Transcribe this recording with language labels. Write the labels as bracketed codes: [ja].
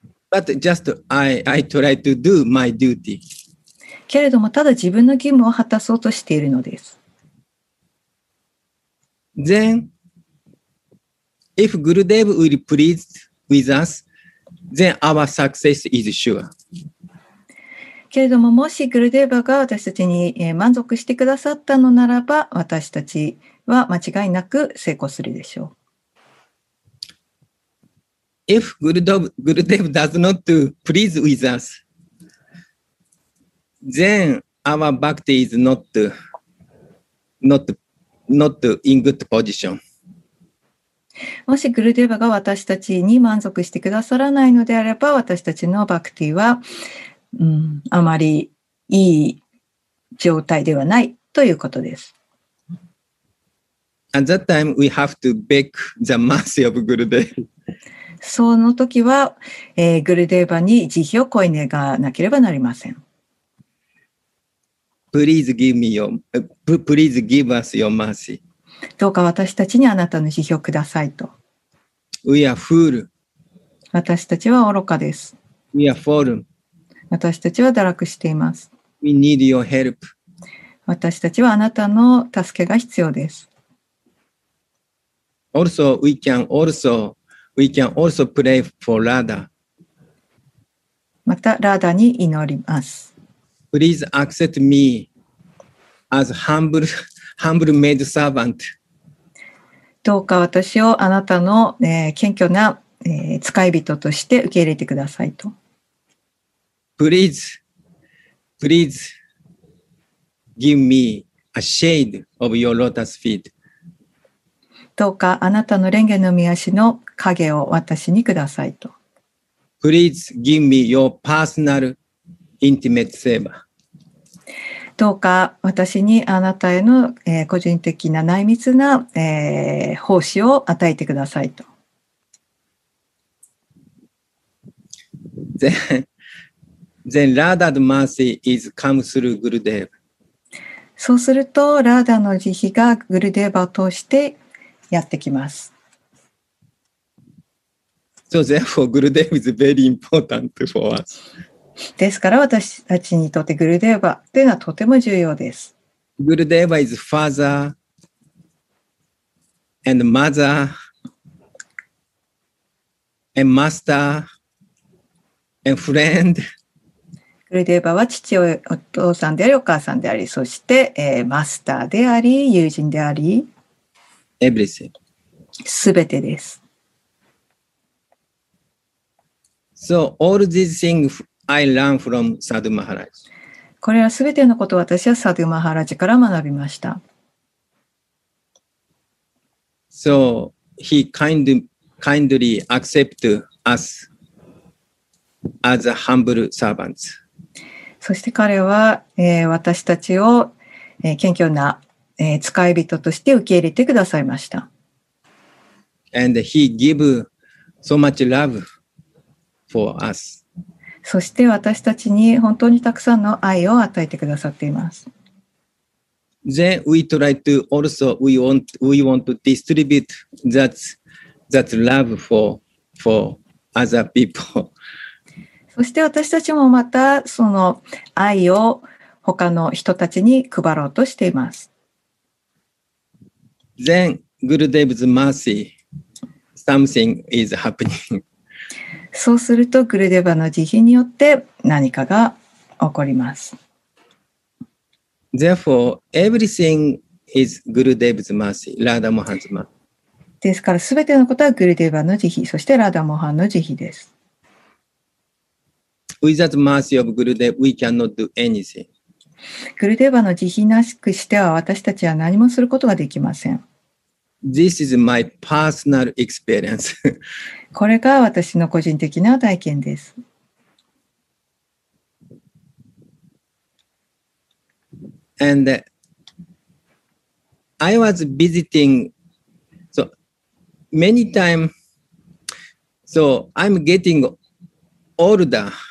[en] But just I try to do my duty. [ja] けれども、ただ自分の義務を果たそうとしているのです。 [en] Then, if Gurudev will please with us, then our success is sure. [ja] けれども、もしグルデーバが私たちに満足してくださったのならば、私たちは間違いなく成功するでしょう。 [en] If Gurudev does not please with us, then our bhakti is not in good position. [ja] もしグルデーバが私たちに満足してくださらないのであれば、私たちのバクティは、あまりいい状態ではないということです。 [en] At that time, we have to beg the mercy of Gurudev. [ja] その時は、グルデーバに慈悲を乞い願わなければなりません。 [en] Please give me your, please give us your mercy. [ja] どうか私たちにあなたの慈悲をくださいと。 [en] We are fool. [ja] 私たちは愚かです。 [en] We are fallen. [ja] 私たちは堕落しています。 [en] We need your help. [ja] 私たちはあなたの助けが必要です。 [en] Also, we can also pray for Radha. [ja] またラダに祈ります。 [en] Please accept me as humble maid servant. [ja] どうか私をあなたの、謙虚な、使い人として受け入れてくださいと。 [en] Please give me a shade of your lotus feet. [ja] どうかあなたの蓮華の御足の影を私にくださいと。 [en] Please give me your personal intimate seva. [ja] どうか私にあなたへの、個人的な内密な、奉仕を与えてくださいと。 [en] Then Radha's mercy is come through Gurudev. [ja] そうすると、ラーダの慈悲がグルデーバを通してやってきます。 [en] So therefore, Gurudev is very important for us. [ja] ですから私たちにとってグルデーバというのはとても重要です。 [en] グルデーバ is father and mother and master and friend. [ja] グルデーバは父親、お父さんであり、お母さんであり、そして、マスターであり、友人であり。 [en] Everything. [ja] すべてです。 [en] So all these things I learn from Sadhu Maharaj. [ja] これらすべてのことを私はサドゥマハラジから学びました。 [en] So he kindly accept us as a humble servants. [ja] そして彼は、私たちを、謙虚な、使い人として受け入れてくださいました。 [en] And he give so much love for us. [ja] そして私たちに本当にたくさんの愛を与えてくださっています。 [en] Then we try to also we want to distribute that love for other people. [ja] そして私たちもまたその愛を他の人たちに配ろうとしています。 [en] Then Gurudev's mercy. Something is happening. [ja] そうするとグルデバの慈悲によって何かが起こります。 [en] Therefore, everything is Gurudev's mercy, Radha Mohan's mercy. [ja] ですから全てのことはグルデバの慈悲、そしてラダモハンの慈悲です。 [en] Without mercy of Gurudev, we cannot do anything. [ja] グルデバの慈悲なしくしては私たちは何もすることができません。 [en] This is my personal experience. [ja] これが私の個人的な体験です。 [en] And I was visiting, so many times, so I'm getting older.